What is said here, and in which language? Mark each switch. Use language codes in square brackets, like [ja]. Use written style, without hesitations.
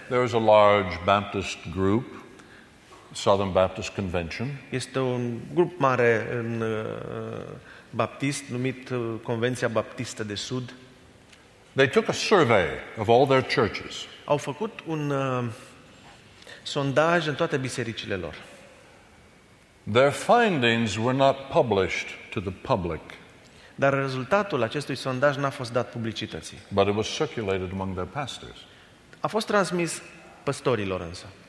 [en] there is a large Baptist group, Southern Baptist Convention. [ro] Este un grup mare în baptist numit Convenția Baptistă de Sud. [en] They took a survey of all their churches. [ro] Au făcut un sondaj în toate bisericile lor. [en] Their findings were not published to the public. [ro] Dar rezultatul acestui sondaj n-a fost dat publicității. [en] But it was circulated among their pastors. [ro] A fost transmis păstorilor însă.